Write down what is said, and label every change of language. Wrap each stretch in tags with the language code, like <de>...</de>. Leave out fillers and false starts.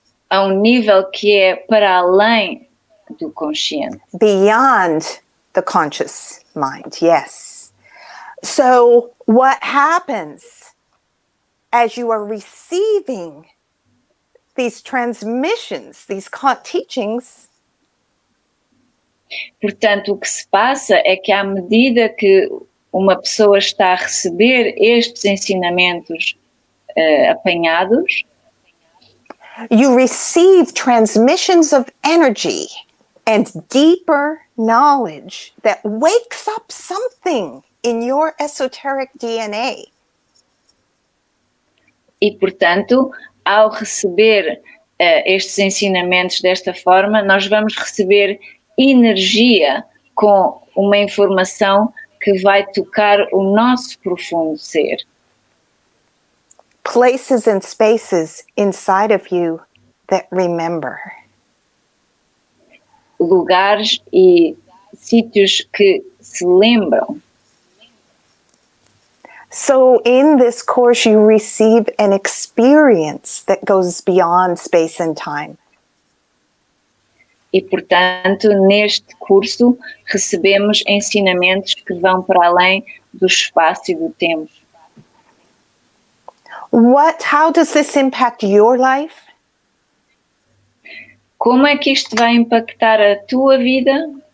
<pt>A um nível que é para além do consciente.</pt> <en>Beyond the conscious mind, yes. So, what happens as you are receiving these transmissions, these teachings?</en> <pt>Portanto, o que se passa é que à medida que uma pessoa está a receber estes ensinamentos apanhados,</pt> <en>you receive transmissions of energy and deeper knowledge that wakes up something in your esoteric DNA.</en> <pt>E, portanto, ao receber estes ensinamentos desta forma, nós vamos receber energia com uma informação que vai tocar o nosso profundo ser.</pt> <en>Places and spaces inside of you that remember.</en> <pt>Lugares e sítios que se lembram.</pt> <en>So in this course you receive an experience that goes beyond space and time.</en> <pt>E portanto, neste curso recebemos ensinamentos que vão para além do espaço e do tempo.</pt> <en>How does this impact your life?</en> <pt>Como é que isto vai impactar a tua vida?</pt>